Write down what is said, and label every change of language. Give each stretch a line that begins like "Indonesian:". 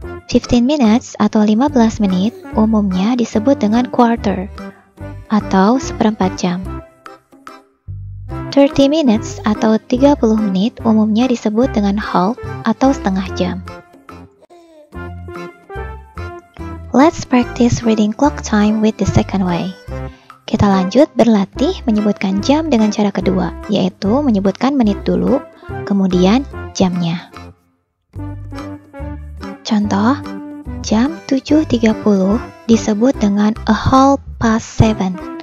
Indonesian: 15 minutes atau 15 menit umumnya disebut dengan quarter atau seperempat jam. 30 minutes atau 30 menit umumnya disebut dengan half atau setengah jam.
English: Let's practice reading clock time with the second way.
Indonesian: Kita lanjut berlatih menyebutkan jam dengan cara kedua, yaitu menyebutkan menit dulu, kemudian jamnya. Contoh, jam 7:30 disebut dengan
English: a half past 7.